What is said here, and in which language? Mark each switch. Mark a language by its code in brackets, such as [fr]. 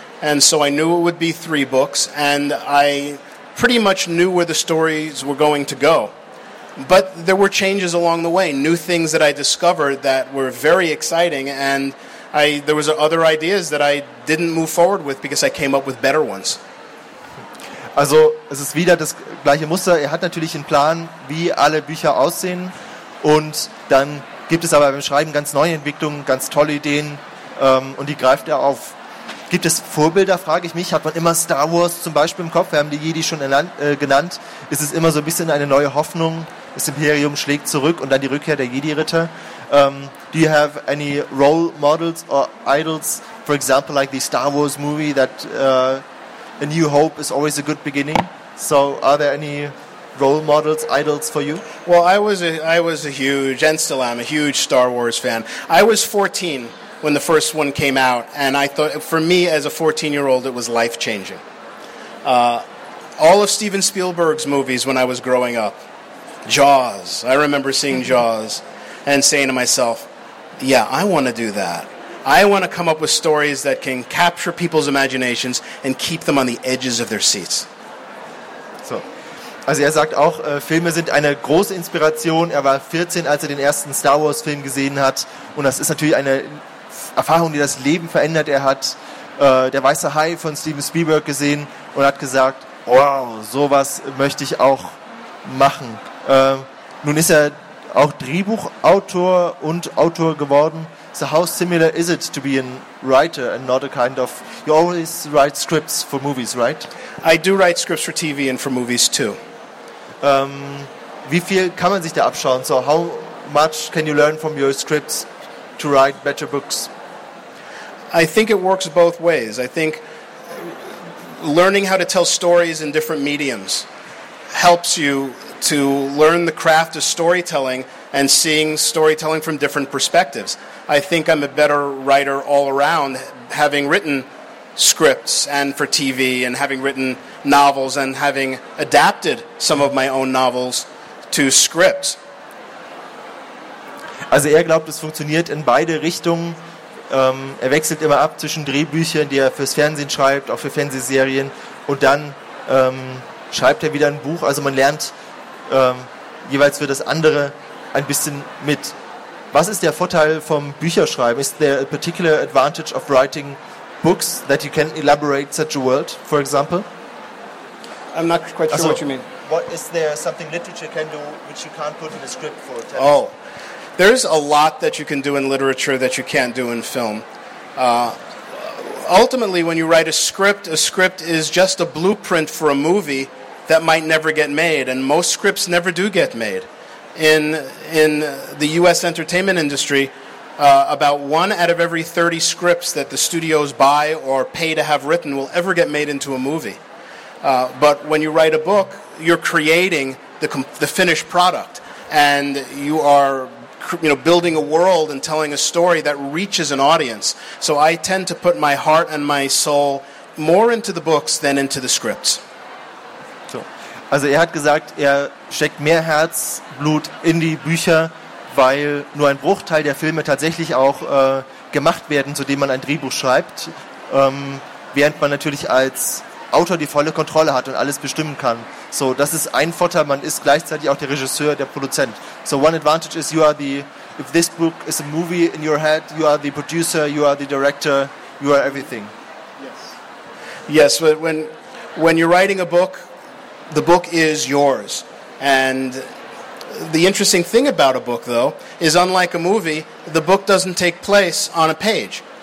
[en] And so I knew it would be three books. And I pretty much knew where the stories were going to go. But there were changes along the way. New things that I discovered that were very exciting. And there was other ideas that I didn't move forward with because I came up with better ones. [de] Also es ist wieder das gleiche Muster. Er hat natürlich einen Plan, wie alle Bücher aussehen, und dann gibt es aber beim Schreiben ganz neue Entwicklungen, ganz tolle Ideen und die greift er auf. Gibt es Vorbilder, frage ich mich, hat man immer Star Wars zum Beispiel im Kopf, wir haben die Jedi schon genannt, ist es immer so ein bisschen eine neue Hoffnung, das Imperium schlägt zurück und dann die Rückkehr der Jedi-Ritter. [en] Do you have any role models or idols, for example like the Star Wars movie that A New Hope is always a good beginning? So are there any role models, idols for you? Well, I was a huge, and still am, a huge Star Wars fan. I was 14 when the first one came out, and I thought, for me as a 14-year-old, it was life-changing. All of Steven Spielberg's movies when I was growing up, Jaws, I remember seeing Jaws and saying to myself, yeah, I want to do that. I want to come up with stories that can capture people's imaginations and keep them on the edges of their seats. [de] Also er sagt auch, Filme sind eine große Inspiration. Er war 14, als er den ersten Star Wars Film gesehen hat. Und das ist natürlich eine Erfahrung, die das Leben verändert. Er hat Der weiße Hai von Steven Spielberg gesehen und hat gesagt, wow, sowas möchte ich auch machen. Nun ist er auch Drehbuchautor und Autor geworden. [en] So how similar is it to be a writer and not a kind of... You always write scripts for movies, right? I do write scripts for TV and for movies too. [de] Wie viel kann man sich da abschauen? [en] So how much can you learn from your scripts to write better books? I think it works both ways. I think learning how to tell stories in different mediums helps you to learn the craft of storytelling and seeing storytelling from different perspectives. I think I'm a better writer all around, having written scripts and for TV and having written novels and having adapted some of my own novels to scripts. [de] Also er glaubt, es funktioniert in beide Richtungen. Er wechselt immer ab zwischen Drehbüchern, die er fürs Fernsehen schreibt, auch für Fernsehserien, und dann schreibt er wieder ein Buch. Also man lernt jeweils für das andere ein bisschen mit. Was ist der Vorteil vom Bücherschreiben? [en] Is there a particular advantage of writing books that you can elaborate such a world, for example? I'm not quite sure what you mean. What is there something literature can do which you can't put in a script for? Oh, there's a lot that you can do in literature that you can't do in film. Ultimately, when you write a script is just a blueprint for a movie that might never get made, and most scripts never do get made. In the U.S. entertainment industry, about one out of every 30 scripts that the studios buy or pay to have written will ever get made into a movie. But when you write a book, you're creating the finished product, and you are building a world and telling a story that reaches an audience. So I tend to put my heart and my soul more into the books than into the scripts. [de] Also er hat gesagt, er steckt mehr Herzblut in die Bücher, weil nur ein Bruchteil der Filme tatsächlich auch gemacht werden, zu dem man ein Drehbuch schreibt, während man natürlich als Autor die volle Kontrolle hat und alles bestimmen kann. So, das ist ein Vorteil, man ist gleichzeitig auch der Regisseur, der Produzent. [en] So one advantage is you are the, if this book is a movie in your head, you are the producer, you are the director, you are everything. Yes, but when you're writing a book, the book is yours. And the interesting thing about a book, though, is unlike a movie, the book doesn't take place on a page.